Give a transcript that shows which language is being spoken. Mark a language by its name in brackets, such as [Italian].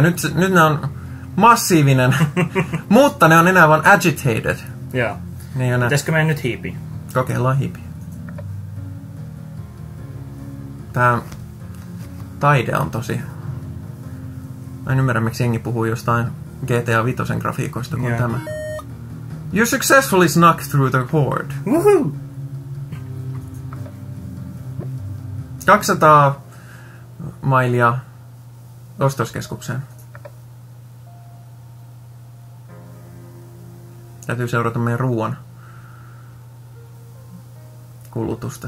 [Finnish] Nyt ne on massiivinen, mutta ne on enää vaan agitated. Joo. Pitäisikö meidän nyt hiipiin? Kokeillaan hiipiin. Tää taide on tosi... Mä en ymmärrä, miksi jengi puhuu jostain GTA V:n grafiikoista kuin tämä. [English] You successfully snuck through the horde. Woohoo! [Finnish] 200 mailia ostoskeskukseen. Täytyy seurata meidän ruoan kulutusta.